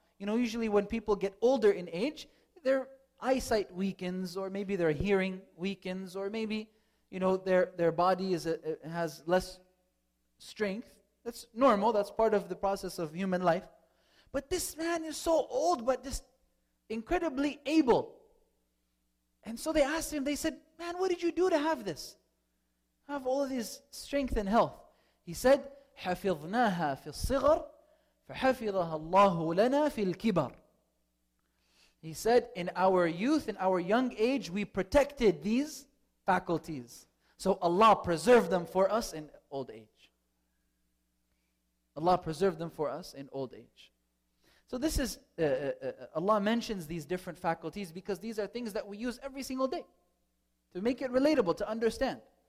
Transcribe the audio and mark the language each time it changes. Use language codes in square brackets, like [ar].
[en] You know, usually when people get older in age, their eyesight weakens, or maybe their hearing weakens, or maybe, you know, their body has less strength. That's normal. That's part of the process of human life. But this man is so old, but just incredibly able. And so they asked him, they said, "Man, what did you do to have this? Have all of this strength and health?" He said, [ar] "حَفِظْنَاهَا فِي الصِّغَرِ فَحَفِظَهَا اللَّهُ لَنَا فِي الْكِبَرِ." [en] He said, "In our youth, in our young age, we protected these faculties. So Allah preserved them for us in old age." Allah preserved them for us in old age. So this is, Allah mentions these different faculties because these are things that we use every single day to make it relatable, to understand.